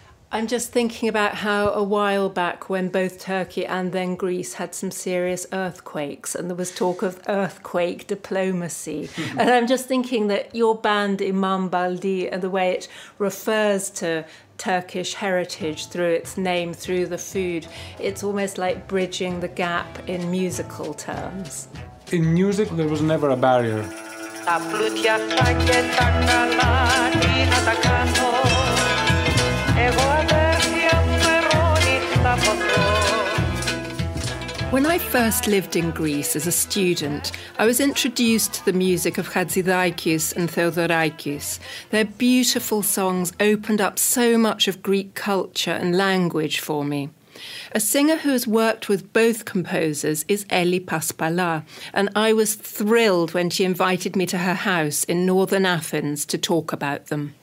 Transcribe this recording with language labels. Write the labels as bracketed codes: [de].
[en] I'm just thinking about how a while back when both Turkey and then Greece had some serious earthquakes and there was talk of earthquake diplomacy. And I'm just thinking that your band Imam Baildi and the way it refers to Turkish heritage through its name, through the food, it's almost like bridging the gap in musical terms. In music, there was never a barrier. [el] τα πλούτια αυτά και τα καλά τι να τα κάνω. Εγώ αδέρφια φερόνι θα ποθώ. [en] When I first lived in Greece as a student, I was introduced to the music of Xatzidakis and Theodorakis. Their beautiful songs opened up so much of Greek culture and language for me. A singer who has worked with both composers is Elly Paspala, and I was thrilled when she invited me to her house in northern Athens to talk about them.